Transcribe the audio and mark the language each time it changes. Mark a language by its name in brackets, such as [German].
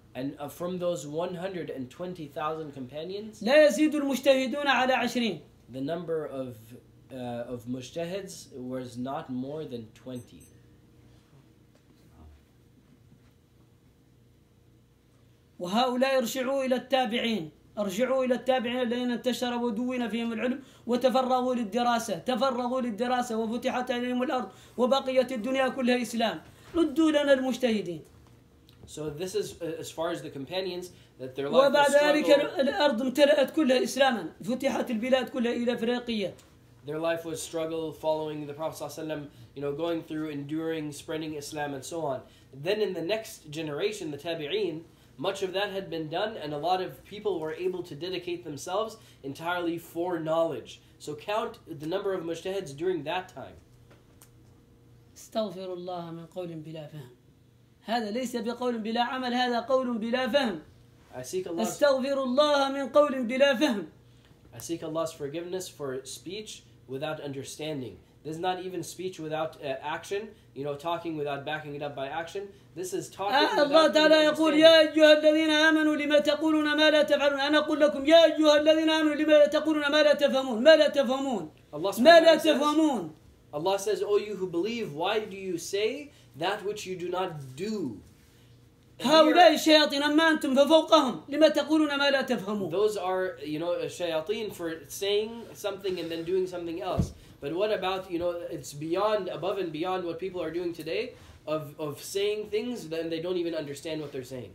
[English] And from those 120,000 companions, [Arabic] لا يزيد المجتهدون على 20. [English] The number of mujtahids was not more than 20. [Arabic] وهؤلاء ارجعوا إلى التابعين ارجعوا إلى التابعين الذين انتشروا ودون فيهم العلم وتفرغوا للدراسة تفرغوا للدراسة وفتحت عليهم الأرض وبقيت الدنيا كلها إسلام ردوا لنا المجتهدين [English] So this is as far as the companions that their [Arabic] life وبعد ذلك الأرض امتلأت كلها إسلاما فتحت البلاد كلها إلى أفريقيا [English] Their life was struggle following the Prophet [Arabic] صلى الله عليه وسلم [English] you know going through enduring spreading Islam and so on then in the next generation the تابعين Much of that had been done, and a lot of people were able to dedicate themselves entirely for knowledge. So count the number of mujtahids during that time. [Arabic] استغفر الله من قول بلا فهم. هذا ليس بقول بلا عمل. هذا قول بلا فهم. [English] I seek Allah. [Arabic] استغفر الله من قول بلا فهم. [English] I seek Allah's forgiveness for speech without understanding. This is not even speech without action. You know, talking without backing it up by action. This is talking. [Arabic] Allah تعالى يقول يا أيها الذين آمنوا لما تقولون ما لا تفعلون أنا أقول لكم يا أيها الذين آمنوا لما تقولون ما لا تفهمون ما لا تفهمون ما لا تفهمون. [English] Allah says, "O you who believe, why do you say that which you do not do?" [Arabic] هؤلاء الشياطين أما أنتم ففوقهم لما تقولون ما لا تفهمون. [English] Those are, you know, الشياطين for saying something and then doing something else. But what about, you know, it's beyond, above and beyond what people are doing today of saying things then they don't even understand what they're saying.